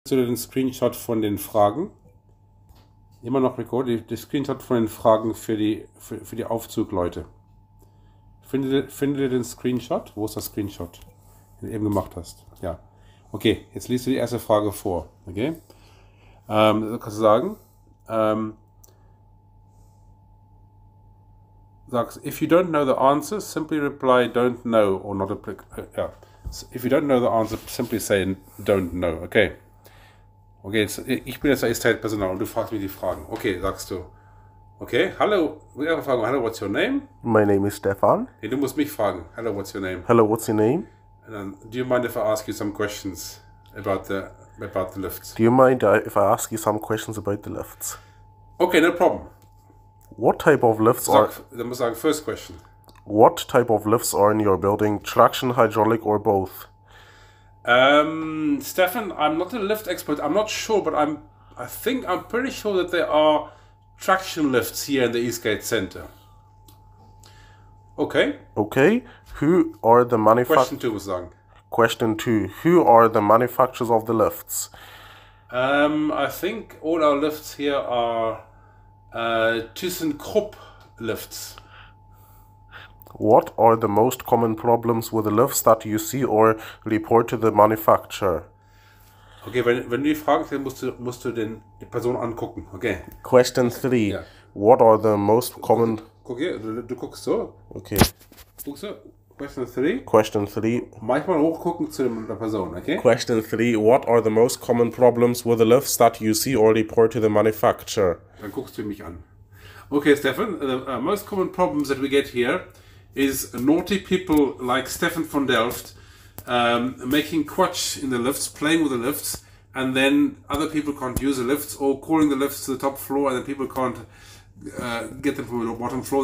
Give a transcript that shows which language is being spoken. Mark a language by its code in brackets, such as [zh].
[de] du den Screenshot von den Fragen? Immer noch recorded, die Screenshot von den Fragen für die Aufzugleute. Finde den Screenshot. Wo ist das Screenshot, den du eben gemacht hast? Ja. Okay, jetzt liest du die erste Frage vor. Okay. Kannst du sagen, sagst, [en] if you don't know the answer, simply reply don't know or not applicable. Ja. So if you don't know the answer, simply say don't know. Okay. [de] Okay, jetzt, ich bin jetzt das Personal und du fragst mich die Fragen. Okay, sagst du. Okay, hallo, wir haben Fragen. [en] Hallo, what's your name? My name is Stefan. [de] Hey, du musst mich fragen. [en] Hallo, what's your name? Hello, what's your name? And then, do you mind if I ask you some questions about the lifts? Do you mind if I ask you some questions about the lifts? Okay, no problem. What type of lifts are [de] Sag, dann muss ich sagen, [en] first question. in your building? Traction, hydraulic or both? Stefan, I'm not a lift expert. I'm not sure, but I'm pretty sure that there are traction lifts here in the Eastgate Center. Okay. Okay, who are the Question two [de] was sagen. [en] question two, who are the manufacturers of the lifts? I think all our lifts here are ThyssenKrupp lifts. What are the most common problems with the lifts that you see or report to the manufacturer? [de] Okay, wenn du die Fragen stellst, musst du die Person angucken, okay? [en] Question three, [de] Ja. [en] what are the most common [de] Guck hier, du guckst so. Okay. Guckst du? [en] Question 3. Question three. [de] Manchmal hochgucken zu der Person, okay? [en] Question three. What are the most common problems with the lifts that you see or report to the manufacturer? [de] Dann guckst du mich an. [en] Okay, Stefan, the most common problems that we get here is naughty people like Stefan von Delft. Making quatsch in the lifts, playing with the lifts, and then other people can't use the lifts, or calling the lifts to the top floor, and then people can't get them from the bottom floor.